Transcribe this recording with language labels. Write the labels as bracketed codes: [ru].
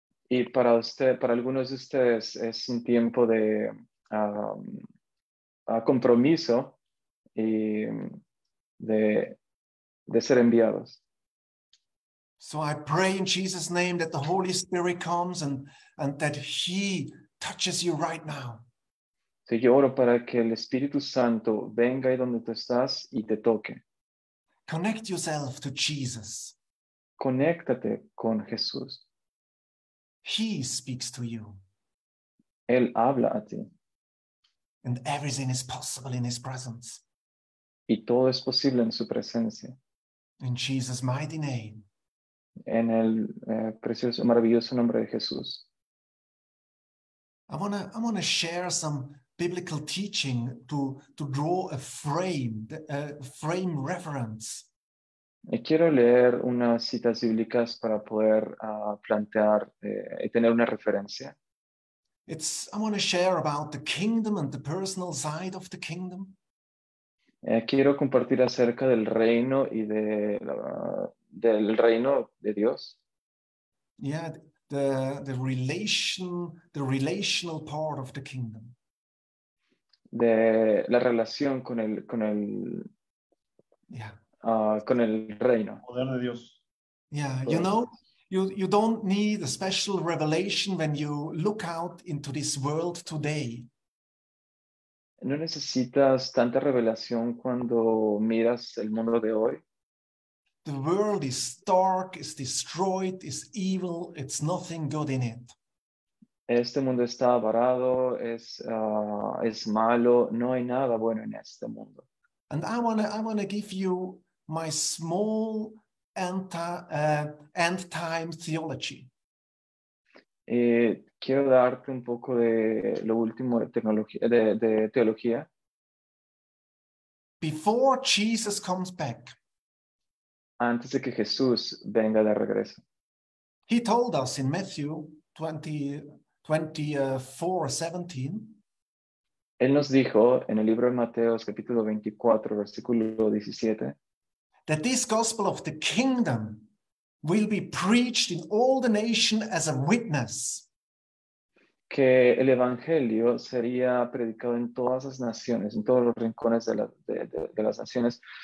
[es] Y para usted, para algunos de ustedes es un tiempo de compromiso y de ser enviados. [en] So I pray in Jesus' name that the Holy Spirit comes and that he touches you right now. [es] Sí, yo oro para que el Espíritu Santo venga ahí donde tú estás y te toque. [en] Connect yourself to Jesus. [es] Conéctate con Jesús. [en] He speaks to you. [es] Él habla a ti. [en] And everything is possible in his presence. [es] Y todo es posible en su presencia. [en] In Jesus' mighty name. [es] En el precioso, maravilloso nombre de Jesús. [en] I wanna share some biblical teaching to draw a frame reference. [es] Y quiero leer unas citas bíblicas para poder plantear y tener una referencia. [en] I want to share about the kingdom and the personal side of the kingdom. [es] Quiero compartir acerca del reino y de del reino de Dios. [en] Yeah, the relational part of the kingdom. [es] De la relación con el con el reino. Poder de Dios. [en] Yeah, you know, you don't need a special revelation when you look out into this world today. [es] No necesitas tanta revelación cuando miras el mundo de hoy. [en] The world is dark, is destroyed, is evil, it's nothing good in it. [es] Este mundo está varado, es malo, no hay nada bueno en este mundo. [en] And I wanna give you my small end time theology. [es] Quiero darte un poco de lo último de teología. [en] Before Jesus comes back. [es] Antes de que Jesús venga de regreso. [en] He told us in Matthew 24:17. [es] Él nos dijo en el libro de Mateos, capítulo 24, versículo 17. [en] That this gospel of the kingdom will be preached in all the nation as a witness. [es] Que el evangelio sería predicado en todas las naciones, en todos los rincones de las naciones.